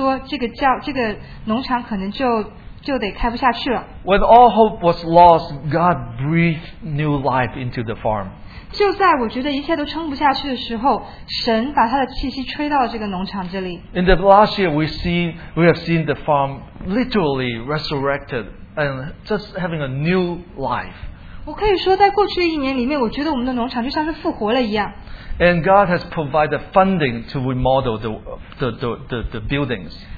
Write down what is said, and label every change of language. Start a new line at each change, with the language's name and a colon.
Chinese: 我甚至都有产生了想法，是说这个农场可能就
English: When all hope was lost, God breathed new life into the farm.
Chinese: 就在我觉得一切都撑不下去的时候，神把他的气息吹到了这个农场这里。
English: In the last year, we have seen the farm literally resurrected and just having a new life.
Chinese: 我可以说，在过去一年里面，我觉得我们的农场就像是复活了一样。
English: And God has provided funding to remodel the buildings.